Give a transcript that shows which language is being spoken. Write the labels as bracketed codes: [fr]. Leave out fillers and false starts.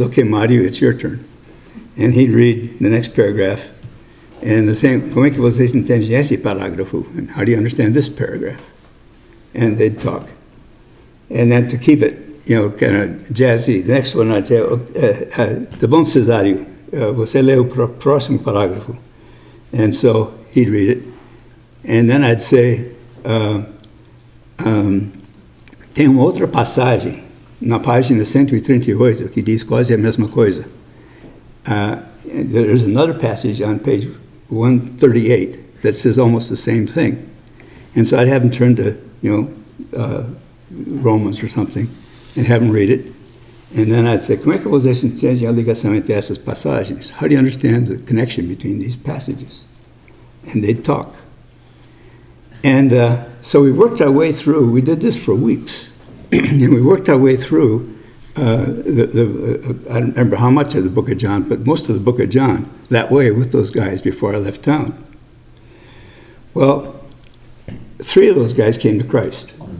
[en] Okay, Mario, it's your turn. And he'd read the next paragraph. And the same, [pt] como é que vocês entendem esse parágrafo? [en] And how do you understand this paragraph? And they'd talk. And then to keep it, kind of jazzy, the next one I'd say, [pt] tá bom, Cesário, você lê o próximo parágrafo. [en] And so he'd read it. And then I'd say, [pt] tem uma outra passagem, na página 138, que diz quase a mesma coisa. [en] There's another passage on page 138 that says almost the same thing. And so I'd have him turn to, Romans or something, and have him read it. And then I'd say, [pt] como é que você entende a ligação entre essas passagens? [en] How do you understand the connection between these passages? And they'd talk. And so we worked our way through. We did this for weeks. And we worked our way through I don't remember how much of the book of John, but most of the book of John, that way with those guys before I left town. Well, three of those guys came to Christ.